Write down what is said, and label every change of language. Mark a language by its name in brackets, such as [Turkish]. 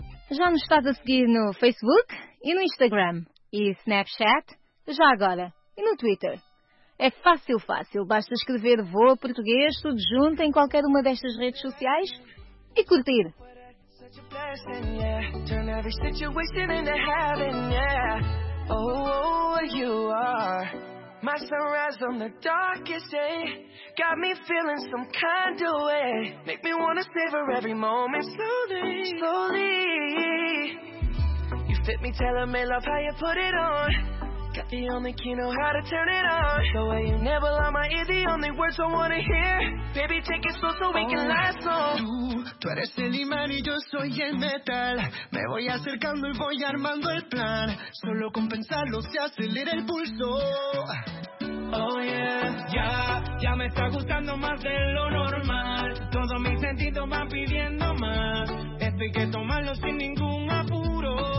[Portuguese] Já nos estás a seguir no Facebook e no Instagram e Snapchat, já agora, e no Twitter. É fácil, fácil. Basta escrever Voa Português, tudo junto, em qualquer uma destas redes sociais e curtir. [English] Blessing, yeah. Turn every situation into heaven, yeah. Oh, oh, you are my sunrise on the darkest day. Got me feeling some kind of way. Make me wanna savor every moment slowly, slowly. You fit me, tell me, love, how you put it on. Got the only key, know how to turn it on. The way you never lie, my ear, the only words I wanna hear. Baby, take it slow so we can last long. [Spanish] Tú eres el imán y yo soy el metal. Me voy acercando y voy armando el plan. Solo con pensarlo se acelera el pulso. Oh yeah. Ya, ya me está gustando más de lo normal. Todos mis sentidos van pidiendo más. Esto hay que tomarlo sin ningún apuro.